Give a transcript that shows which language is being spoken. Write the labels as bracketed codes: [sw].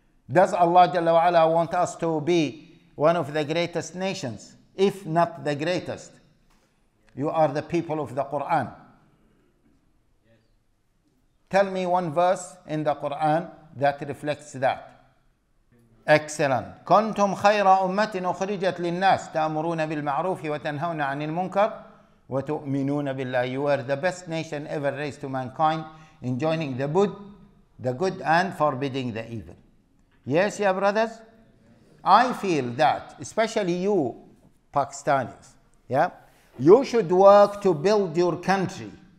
[en] Does Allah Jalla wa Ala want us to be one of the greatest nations, if not the greatest? You are the people of the Quran. Tell me one verse in the Quran that reflects that. Excellent. [ar] كنتم خير أمة أخرجت للناس تأمرون بالمعروف وتنهون عن المنكر وتؤمنون بالله. [en] You are the best nation ever raised to mankind, enjoining the good and forbidding the evil. Yes, yeah, brothers? I feel that, especially you Pakistanis, you should work to build your country.